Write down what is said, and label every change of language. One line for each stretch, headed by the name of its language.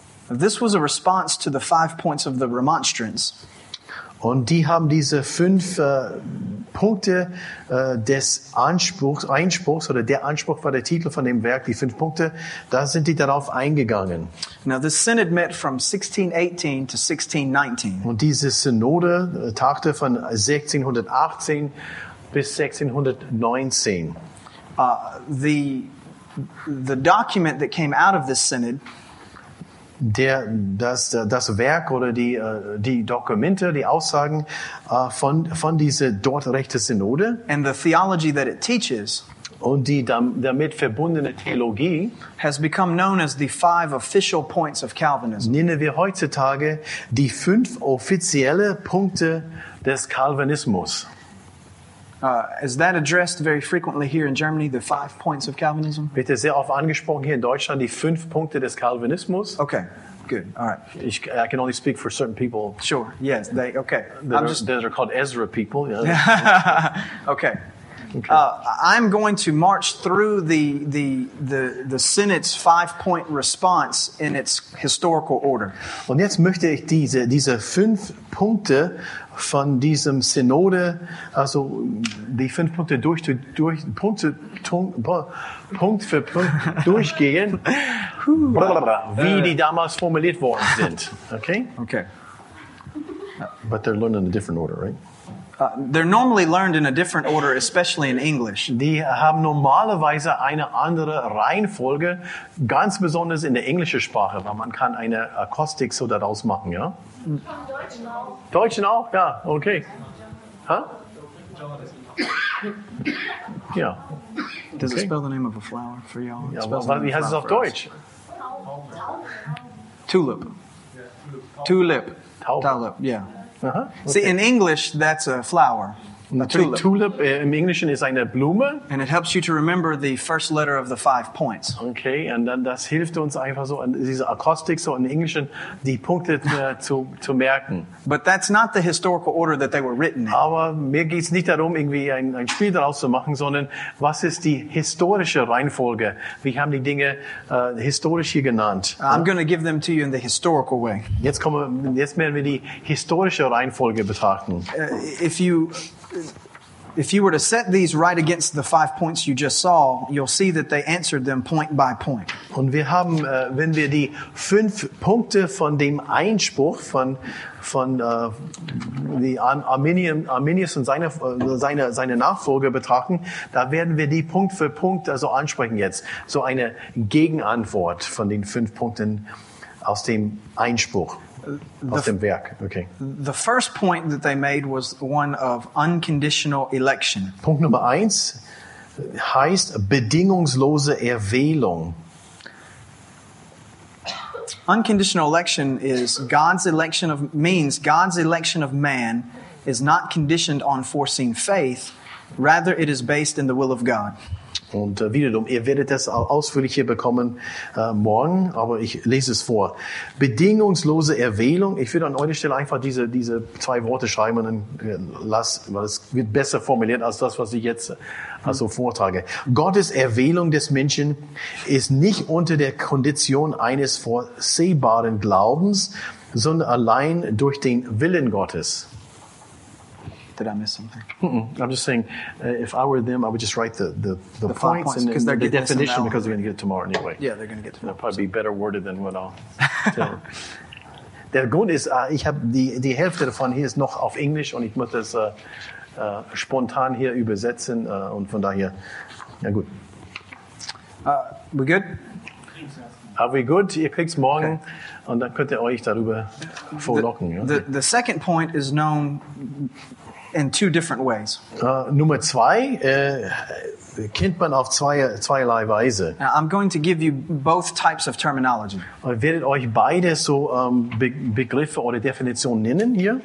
English: This was a response to the 5 points of the Remonstrance.
German: Und die haben diese 5 Punkte des Einspruchs oder der Anspruch war der Titel von dem Werk, die 5 Punkte, da sind die darauf eingegangen.
English: Now the synod met from 1618 to 1619.
German: Und diese Synode tagte von 1618 bis 1619.
English: The document that came out of this synod,
German: das Werk oder die Dokumente, die Aussagen von dieser Dortrechte Synode
English: and the theology that it teaches,
German: und die damit verbundene Theologie
English: has become known as the 5 official points of Calvinism.
German: Nennen wir heutzutage die 5 offizielle Punkte des Calvinismus.
English: Is that addressed very frequently here in Germany, the 5 points of Calvinism?
German: Bitte sehr oft angesprochen hier in Deutschland, die 5 Punkte des Calvinismus.
English: Okay, good, all right. I can only speak for certain people. Sure, yes, they, okay. They're called Ezra people. Yeah. Okay. I'm going to march through the Synod's 5-point response in its historical order. Und jetzt möchte ich diese 5 Punkte von diesem Synode, also die 5 Punkte Punkt für Punkt durchgehen, wie die damals formuliert worden sind. Okay? Okay. But they're learning in a different order, right? They're normally learned in a different order, especially in English.
German: Die haben normalerweise eine andere Reihenfolge, ganz besonders in der englischen Sprache, weil man kann eine Akustik so daraus machen, ja? Deutschen auch. Deutschen auch? Ja, okay. Ha? Ja.
English: Does it spell the name of a flower for y'all?
German: Ja, wie heißt es auf Deutsch?
English: Tulip. Tulip. Tulip, yeah. Uh-huh. Okay. See, in English, that's a flower.
German: Natürlich, tulip im Englischen ist eine Blume.
English: And it helps you to remember the first letter of the 5 points.
German: Okay, und dann das hilft uns einfach so, diese Akustik so im Englischen, die Punkte zu merken.
English: But that's not the historical order that they were written in.
German: Aber mir geht es nicht darum, irgendwie ein Spiel daraus zu machen, sondern was ist die historische Reihenfolge? Wie haben die Dinge historisch hier genannt?
English: I'm going to give them to you in the historical way.
German: Jetzt werden wir die historische Reihenfolge betrachten.
English: If you were to set these right against the 5 points you just saw, you'll see that they answered them point by point.
German: Und wir haben, wenn wir die 5 Punkte von dem Einspruch von Arminius und seine Nachfolger betrachten, da werden wir die Punkt für Punkt also ansprechen jetzt. So eine Gegenantwort von den 5 Punkten aus dem Einspruch.
English: Okay. The first point that they made was one of unconditional election.
German: Punkt Nummer 1 heißt bedingungslose Erwählung.
English: Unconditional election is God's election of man is not conditioned on foreseen faith, rather it is based in the will of God.
German: Und wiederum, ihr werdet das ausführlich hier bekommen morgen, aber ich lese es vor. Bedingungslose Erwählung. Ich würde an eurer Stelle einfach diese 2 Worte schreiben und dann weil es wird besser formuliert als das, was ich jetzt also vortrage. Gottes Erwählung des Menschen ist nicht unter der Kondition eines vorsehbaren Glaubens, sondern allein durch den Willen Gottes.
English: Did I miss something? Mm-mm. I'm just saying, if I were them, I would just write the points and then the definition, because they're going to get it tomorrow anyway. Yeah, they're going to get tomorrow. They'll probably be better worded than what I'll tell.
German: Der Grund ist, ich habe die Hälfte davon hier ist noch auf Englisch und ich muss das spontan hier übersetzen und von daher, ja gut.
English: We good? Are we good?
German: Ihr kriegt's morgen.
English: Okay.
German: Und dann könnt ihr euch darüber vorlocken.
English: The second point is known in two different ways.
German: Nummer zwei kennt man auf zweierlei Weise.
English: Now I'm going to give you both types of terminology.
German: Ich werde euch beide so Begriffe oder Definitionen nennen hier.